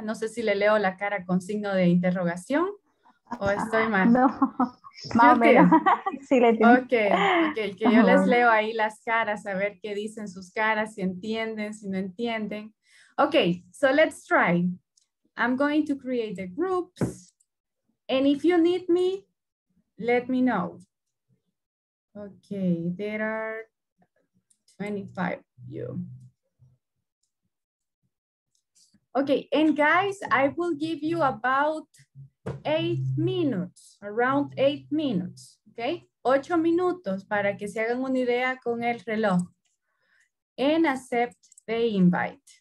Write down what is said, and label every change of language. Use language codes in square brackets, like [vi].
[es] No sé si le leo la cara con signo de interrogación o estoy mal. No. Okay, yo les leo ahí las caras, a ver qué dicen sus caras, si entienden, si no entienden. [en] Okay, so let's try. I'm going to create the groups. And if you need me, let me know. Okay, there are 25 of you. Okay, and guys, I will give you about 8 minutes, around 8 minutes, okay? [es] 8 minutos para que se hagan una idea con el reloj. [en] And accept the invite.